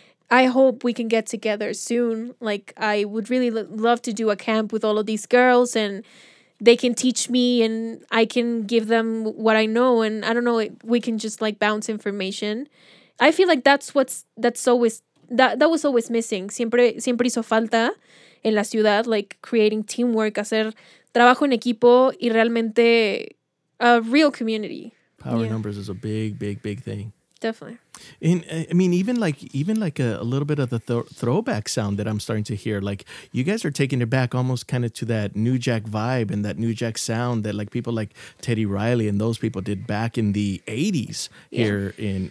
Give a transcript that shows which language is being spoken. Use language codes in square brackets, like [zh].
[en] I hope we can get together soon. Like, I would really love to do a camp with all of these girls, and they can teach me and I can give them what I know. And I don't know, we can just like bounce information. I feel like that's always that was always missing. [es] Siempre hizo falta en la ciudad, [en] like creating teamwork, [es] hacer trabajo en equipo y realmente [en] a real community. Power yeah. numbers is a big, big, big thing. Definitely. And I mean, even like a little bit of the throwback sound that I'm starting to hear, like you guys are taking it back almost kind of to that New Jack vibe and that New Jack sound that like people like Teddy Riley and those people did back in the 80s here yeah.